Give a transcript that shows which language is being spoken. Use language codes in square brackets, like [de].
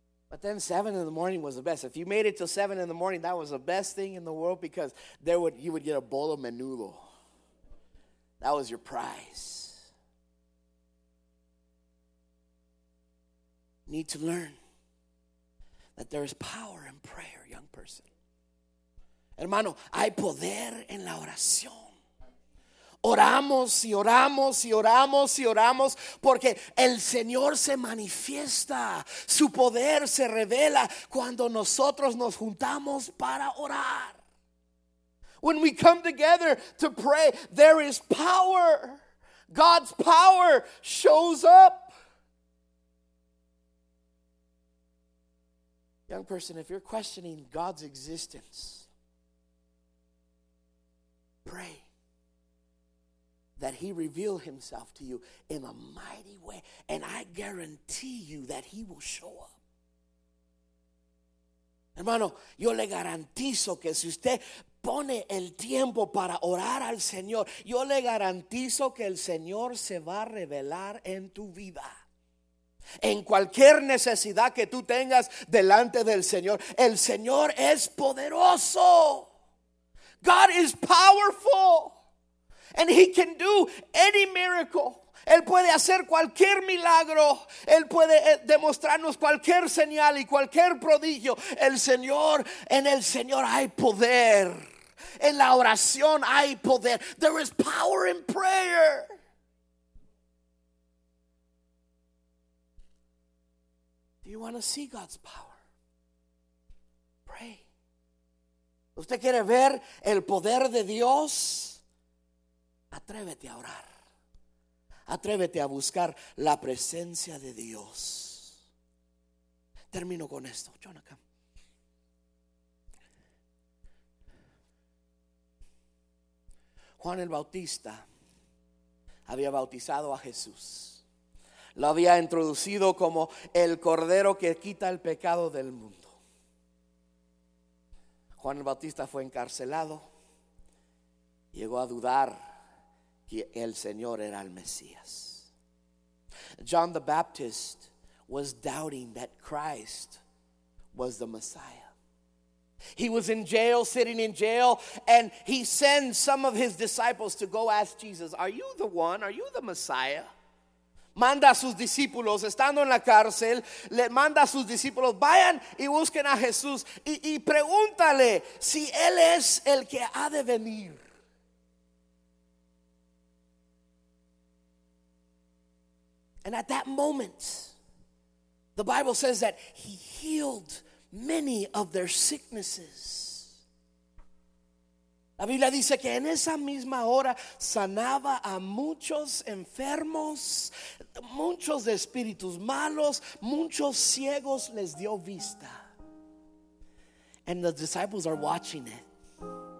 [en] But then 7 in the morning was the best. If you made it till 7 in the morning, that was the best thing in the world, because you would get a bowl of menudo. That was your prize. Need to learn that there is power in prayer, young person. [es] Hermano, hay poder en la oración. Oramos y oramos y oramos y oramos porque el Señor se manifiesta. Su poder se revela cuando nosotros nos juntamos para orar. [en] When we come together to pray, there is power. God's power shows up. Young person, if you're questioning God's existence, pray that He reveal Himself to you in a mighty way. And I guarantee you that He will show up. [es] Hermano, yo le garantizo que si usted pone el tiempo para orar al Señor, yo le garantizo que el Señor se va a revelar en tu vida. En cualquier necesidad que tú tengas delante del Señor, el Señor es poderoso. [en] God is powerful, and He can do any miracle. [es] Él puede hacer cualquier milagro. Él puede demostrarnos cualquier señal y cualquier prodigio. El Señor, en el Señor hay poder. En la oración hay poder. [en] There is power in prayer. Do you want to see God's power? Pray. [es] ¿Usted quiere ver el poder de Dios? Atrévete a orar. Atrévete a buscar la presencia de Dios. Termino con esto. Jonathan. Juan el Bautista había bautizado a Jesús. Lo había introducido como el cordero que quita el pecado del mundo. Juan el Bautista fue encarcelado. Llegó a dudar que el Señor era el Mesías. [en] John the Baptist was doubting that Christ was the Messiah. He was in jail, sitting in jail, and he sends some of his disciples to go ask Jesus, "Are you the one? Are you the Messiah?" [es] Manda a sus discípulos, estando en la cárcel, le manda a sus discípulos, vayan y busquen a Jesús y pregúntale si él es el que ha de venir. [en] And at that moment, the Bible says that he healed many of their sicknesses. [es] La Biblia dice que en esa misma hora sanaba a muchos enfermos, muchos de espíritus malos, muchos ciegos les dio vista. [en] And the disciples are watching it.